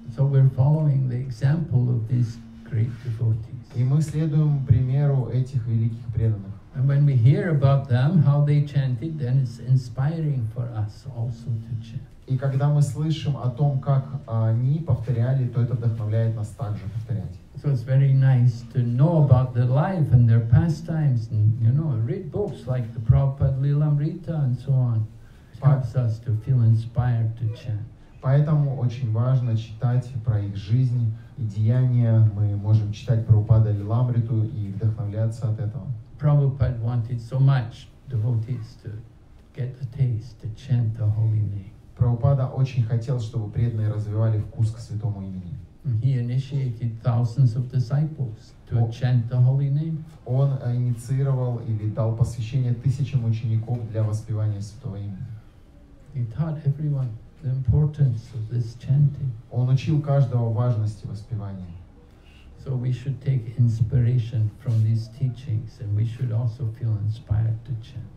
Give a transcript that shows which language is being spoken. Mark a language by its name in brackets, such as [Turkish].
[English] So we're following the example of these great devotees. [Russian] И мы следуем примеру этих великих преданных. [English] And when we hear about them, how they chanted, then it's inspiring for us also to chant. [Russian] И когда мы слышим о том, как они повторяли, то это вдохновляет нас также повторять. [English] So it's very nice to know about their life and their pastimes, and, you know, read books like the Prabhupada Lilamrita and so on. It helps us to feel inspired to chant. [Russian] Поэтому очень важно читать про их жизнь и деяния. Мы можем читать Прабхупада Лилямриту и вдохновляться от этого. [English] Prabhupada wanted so much devotees to get a taste, to chant the holy name. [Russian] Prabhupada очень хотел, чтобы преданные развивали вкус к святому имени. [English] He initiated thousands of disciples to chant the holy name. [Russian] Он инициировал или дал посвящение тысячам учеников для воспевания святого имени. [English] He taught everyone the importance of this chanting. [Russian] Он учил каждого важности воспевания. [English] So we should take inspiration from these teachings, and we should also feel inspired to chant.